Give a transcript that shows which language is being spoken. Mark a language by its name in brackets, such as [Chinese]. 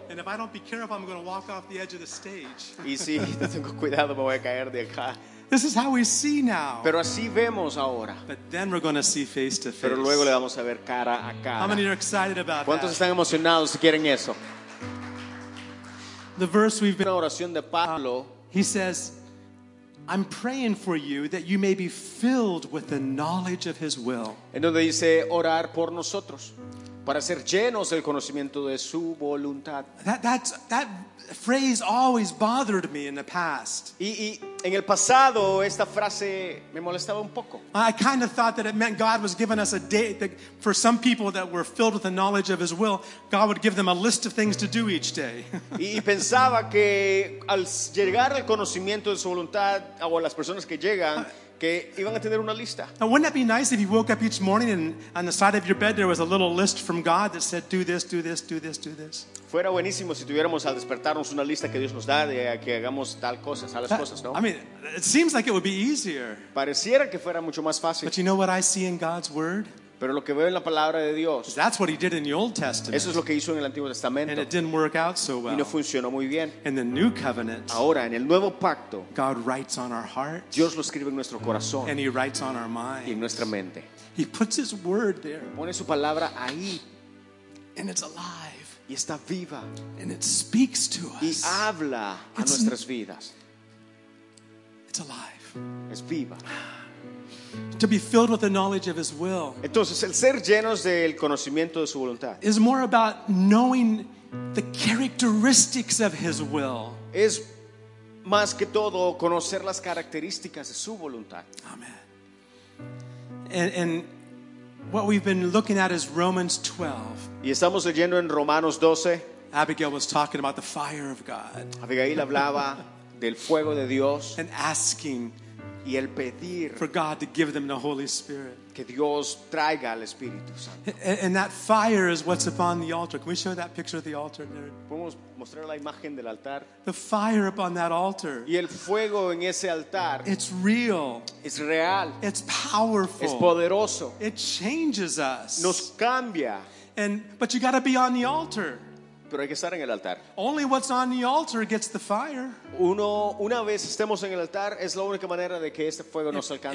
[English] And if I don't be careful, I'm going to walk off the edge of the stage. [Spanish] Y si no tengo cuidado, me voy a caer de acá. [English] This is how we see now. [Spanish] Pero así vemos ahora. [English] But then we're going to see face to face. [Spanish] Pero luego le vamos a ver cara a cara. [English] How many are excited about that? [Spanish] ¿Cuántos están emocionados si quieren eso? [English] The verse we've been. [Spanish] Una oración de Pablo. [English] He says, "I'm praying for you that you may be filled with the knowledge of His will." [Spanish] En donde dice orar por nosotros. Para ser llenos del conocimiento de su voluntad. [English] That phrase always bothered me in the past. [Spanish] Y en el pasado esta frase me molestaba un poco. [English] I kind of thought that it meant God was giving us a day that for some people that were filled with the knowledge of His will, God would give them a list of things to do each day. [Spanish] Y pensaba que al llegar al conocimiento de su voluntad o a las personas que llegan. Que iban a tener una lista. [English] Now, wouldn't that be nice if you woke up each morning and on the side of your bed there was a little list from God that said, "Do this, do this, do this, do this." [Spanish] Fuera buenísimo si tuviéramos al despertarnos una lista que Dios nos da de que hagamos tal cosas, tales cosas, ¿no? [English] I mean, it seems like it would be easier. [Spanish] Pareciera que fuera mucho más fácil. [English] But you know what I see in God's word? [Spanish] Pero lo que veo en la palabra de Dios, [English] that's what he did in the Old Testament. [Spanish] Eso es lo que hizo en el Antiguo Testamento. [English] And it didn't work out so well. [Spanish] Y no funcionó muy bien. [English] In the New Covenant, [Spanish] ahora en el Nuevo Pacto, [English] God writes on our hearts. [Spanish] Dios lo escribe en nuestro corazón. [English] And he writes on our minds. [Spanish] Y en nuestra mente. [English] He puts his word there. [Spanish] Pone su palabra ahí. [English] And it's alive. [Spanish] Y está viva. [English] And it speaks to us. [Spanish] Y habla a nuestras vidas. [English] It's alive. [Spanish] Es viva. [English] To be filled with the knowledge of his will. [Spanish] Entonces, el ser llenos del conocimiento de su voluntad. [English] Is more about knowing the characteristics of his will. [Spanish] Es más que todo conocer las características de su voluntad. [English] Amen. And what we've been looking at is Romans 12. [Spanish] Y estamos leyendo en Romanos 12. [English] Abigail was talking about the fire of God. [Spanish] Abigail hablaba del fuego de Dios. [English] And asking [Spanish] y el pedir [English] for God to give them the Holy Spirit. [Spanish] Que Dios traiga al Espíritu Santo. [English] And that fire is what's upon the altar. Can we show that picture of the altar there? [Spanish] ¿Podemos mostrar la imagen del altar? [English] The fire upon that altar. [Spanish] Y el fuego en ese altar. [English] It's real. [Spanish] Es real. [English] It's powerful. [Spanish] Es poderoso. [English] It changes us. [Spanish] Nos cambia. [English] But you got to be on the altar. [Spanish] Pero hay que estar en el altar. [English] Only what's on the altar gets the fire. [Spanish] Una vez estemos en el altar, es la única manera de que este fuego nos alcance.